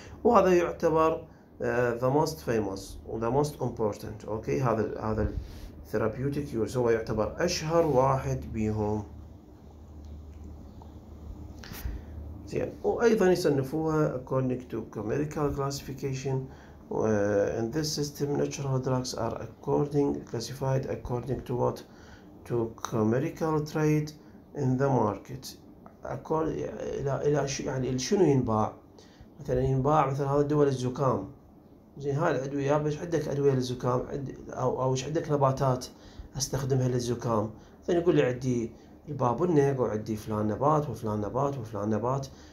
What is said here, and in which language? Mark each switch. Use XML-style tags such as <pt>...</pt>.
<ar>وهذا يعتبر</ar> <en>the most famous the most important.</en> <ar>okay هذا</ar> <en>therapeutic use</en> <ar>هو يعتبر اشهر واحد بهم زين. وايضا يصنفوها</ar> <en>according to chemical classification. in this system natural drugs are according classified according to what to chemical trade in the market.</en> <ar>أقول إلى شو يعني شنو ينباع؟ مثلا ينباع مثلا هذا الدواء للزكام زين، هاي الأدوية ايش عندك أدوية للزكام؟ أو ايش عندك نباتات أستخدمها للزكام؟ ثاني يقول لي عندي البابونيك وعندي فلان نبات وفلان نبات وفلان نبات،</ar>